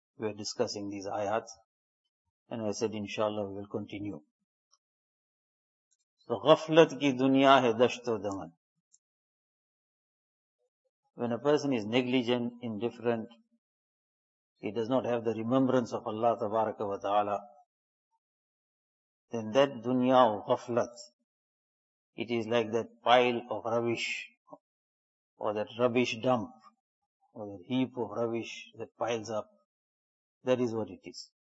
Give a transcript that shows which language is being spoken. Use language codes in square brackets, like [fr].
[en] We are discussing these آیات and I said inshallah we will continue. [ur] So غفلت کی دنیا ہے دشت و دمن. [en] When a person is negligent, indifferent, he does not have the remembrance of Allah tabaraka wa ta'ala, then that dunya of ghaflat, it is like that pile of rubbish, or that rubbish dump, or that heap of rubbish that piles up. That is what it is.